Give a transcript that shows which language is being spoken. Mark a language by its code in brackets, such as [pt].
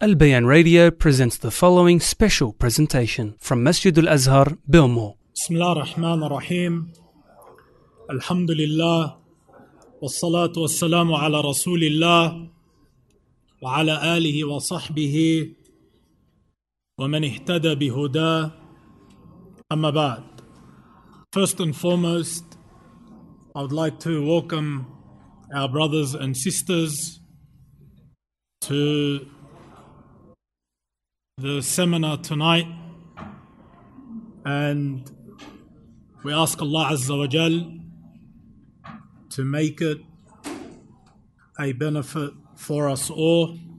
[en] البيان radio presents the following special presentation from مسجد الأزهر بومو. [ar] بسم الله الرحمن الرحيم. الحمد لله والصلاة والسلام على رسول الله وعلى آله وصحبه ومن اهتدى بهداه. أما بعد, [en] first and foremost, I would like to welcome our brothers and sisters to the seminar tonight, and we ask Allah Azza wa Jal to make it a benefit for us all.